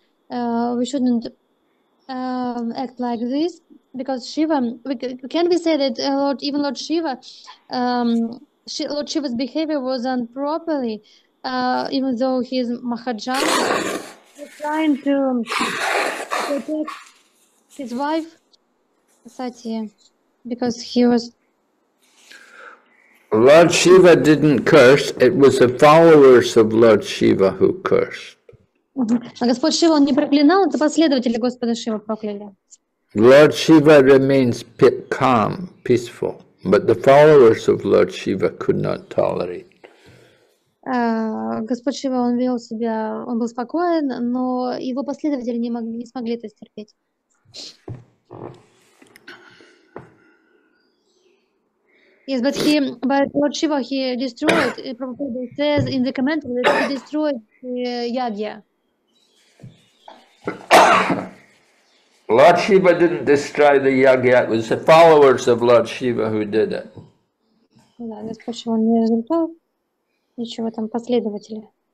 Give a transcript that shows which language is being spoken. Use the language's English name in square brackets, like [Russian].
[English] we shouldn't act like this, because Shiva, can we say that Lord, even Lord Shiva, Lord Shiva's behavior was improperly, even though he's Mahajan, trying to protect his wife, Sati, because he was... Lord Shiva didn't curse, it was the followers of Lord Shiva who cursed. [Russian] А Господь Шива не проклинал, это последователи Господа Шивы прокляли. [English] Lord Shiva remains calm, peaceful, but the followers of Lord Shiva could not tolerate. [Russian] Господь Шива, он вел себя, он был спокоен, но его последователи не могли, не смогли это стерпеть. [English] Yes, but Lord Shiva, he destroyed, Prabhupada says in the commentary that he destroyed Yagya. Lord Shiva didn't destroy the Yagya, it was the followers of Lord Shiva who did it. [Russian] Да, Господь Шива не разрушал ничего там, последователи.